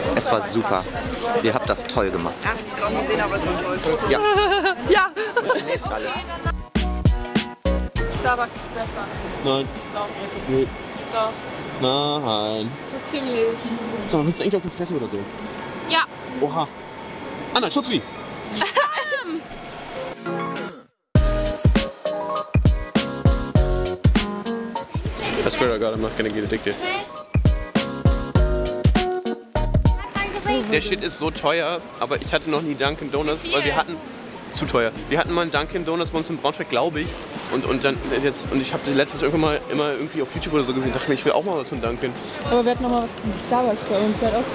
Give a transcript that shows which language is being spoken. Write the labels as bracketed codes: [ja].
[de] Es war super. Ihr habt das toll gemacht. Ja. Ja. Starbucks ist besser. Nein. Nee. Doch. Nein. Ziemlich. So, willst du eigentlich auf die Fresse oder so? Ja. Oha. Anna, schub sie. [en] I swear to God, I'm not gonna get addicted. [de] Der Shit ist so teuer, aber ich hatte noch nie Dunkin' Donuts, weil wir hatten... Zu teuer. Wir hatten mal einen Dunkin' Donuts bei uns in Braunschweig, glaube ich. Und ich habe das letztes irgendwann mal immer irgendwie auf YouTube oder so gesehen. Dachte mir, ich will auch mal was von Dunkin'. Aber wir hatten noch mal was von Starbucks bei uns.